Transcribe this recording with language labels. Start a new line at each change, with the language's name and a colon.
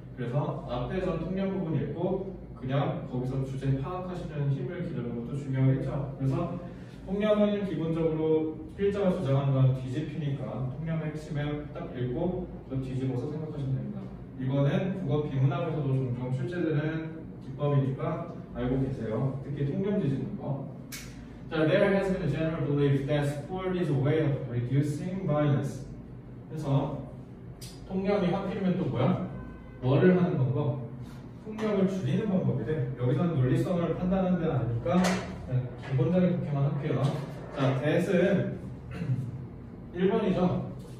Korean: 그래서 앞에서 통념 부분이 있고 그냥 거기서 주제 파악하시는 힘을 기르는 것도 중요하겠죠. 그래서 통념은 기본적으로 필자가 주장하는 건 뒤집히니까 통념의 핵심을 딱 읽고 또 뒤집어서 생각하시면 됩니다. 이거는 국어 비문학에서도 종종 출제되는 기법이니까 알고 계세요. 특히 통념 뒤집는 거.
English: So there has been a general belief that sport is a way of reducing violence.
Korean: 그래서 통념이 하필이면 또 뭐야? 뭐를 하는 건가? 폭력을 줄이는 방법이래. 여기서는 논리성을 판단하는 데 아니니까 기본적인 그렇게만 할게요. 자, that은 1번이죠.